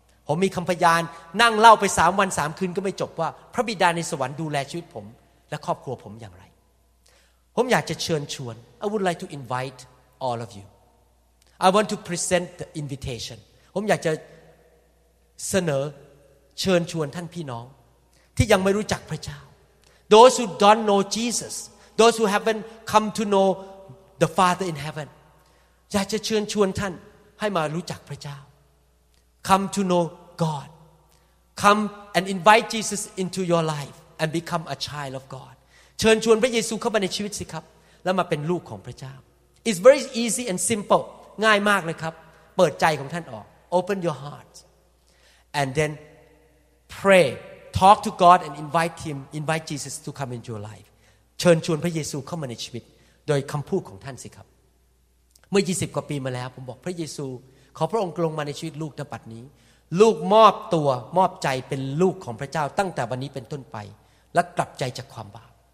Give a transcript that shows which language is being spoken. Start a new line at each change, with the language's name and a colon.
Thai: ผมมีคำพยานนั่งเล่าไป3วัน3คืนก็ไม่จบว่าพระบิดาในสวรรค์ดูแลชีวิตผมและครอบครัวผมอย่างไรผมอยากจะเชิญชวน
English: I would like to invite all of you. I want to present the invitation.
Thai: ผมอยากจะเสนอเชิญชวนท่านพี่น้องที่ยังไม่รู้จักพระเจ้า
English: Those who don't know Jesus. Those who haven't come to know the Father in heaven.
Thai: อยากจะเชิญชวนท่านให้มารู้จักพระเจ้า
English: Come to know God. Come and invite Jesus into your life and become a child of God.
Thai: เชิญชวนพระเยซูเข้ามาในชีวิตสิครับแล้วมาเป็นลูกของพระเจ้า
English: It's very easy and simple.
Thai: ง่ายมากเลยครับเปิดใจของท่านออก
English: Open your heart and then pray. Talk to God and invite him, invite Jesus to come into your life.
Thai: เชิญชวนพระเยซูเข้ามาในชีวิตโดยคำพูดของท่านสิครับเมื่อ20กว่าปีมาแล้วผมบอกพระเยซูขอพระองค์ลงมาในชีวิตลูกณบัดนี้ลูกมอบตัวมอบใจเป็นลูกของพระเจ้าตั้งแต่วันนี้เป็นต้นไปและกลับใจจากความบาป